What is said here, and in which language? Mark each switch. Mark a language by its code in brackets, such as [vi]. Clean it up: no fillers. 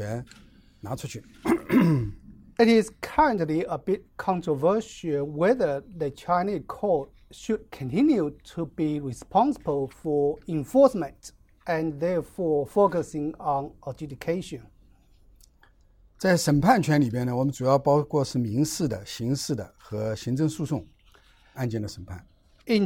[zh] 对于这个执行这部分呢，现在是有比较大的争论，还是不是需要法院去做，还是把这个权拿出去？ [en] It is currently a bit controversial whether the Chinese court should continue to be responsible for enforcement and therefore focusing on adjudication. [zh] 在审判权里边呢，我们主要包括是民事的、刑事的和行政诉讼案件的审判。 [en] In